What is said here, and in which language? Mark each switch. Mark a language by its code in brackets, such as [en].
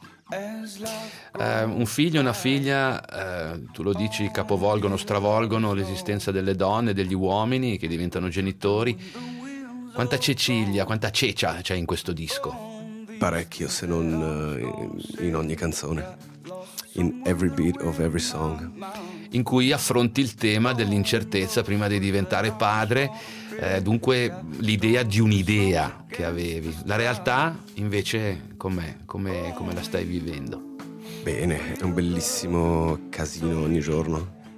[it] Un figlio e una figlia, tu lo dici, capovolgono, stravolgono l'esistenza delle donne, degli uomini che diventano genitori. Quanta Cecilia, quanta Cecia c'è in questo disco? Parecchio, se non in ogni canzone. [en] In every beat of every song. [it] In cui affronti il tema dell'incertezza prima di diventare padre, dunque l'idea di un'idea che avevi. La realtà invece com'è? Come la stai vivendo? Bene, è un bellissimo casino ogni giorno.